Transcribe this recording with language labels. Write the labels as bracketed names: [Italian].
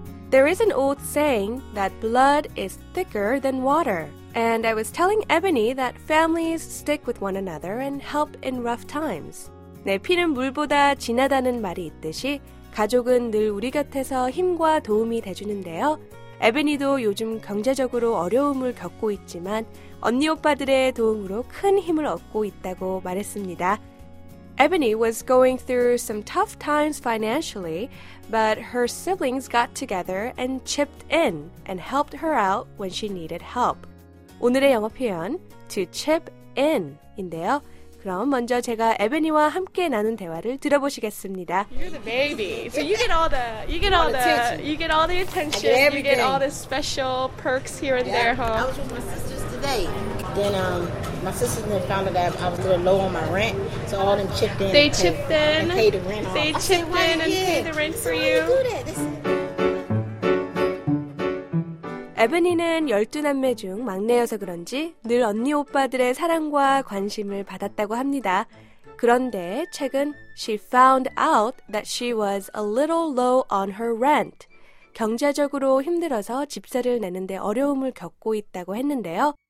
[English] There is an old saying that blood is thicker than water. And I was telling Ebony that families stick with one another and help in rough times. [Korean] 네, 피는 물보다 진하다는 말이 있듯이 가족은 늘 우리 곁에서 힘과 도움이 돼주는데요. Ebony도 요즘 경제적으로 어려움을 겪고 있지만 언니 오빠들의 도움으로 큰 힘을 얻고 있다고 말했습니다. [English] Ebony was going through some tough times financially, but her siblings got together and chipped in and helped her out when she needed help. [Korean] 오늘의 영어 표현, [English] to chip in [Korean] 인데요. 그럼 먼저 제가 에베니와 함께 나눈 대화를 들어보시겠습니다. [English] You're the baby, so you get all the attention. Everything. You get all the special perks here and there, huh? I was with my sisters today. Then my sisters then found out that I was a little low on my rent, so all of them chipped in. They chipped in. And paid the rent off. They chipped in and paid the rent for you. Why do that? [Korean] 에베니는 12남매 중 막내여서 그런지 늘 언니 오빠들의 사랑과 관심을 받았다고 합니다. 그런데 최근 [English] she found out that she was a little low on her rent. [Korean] 경제적으로 힘들어서 집세를 내는데 어려움을 겪고 있다고 했는데요.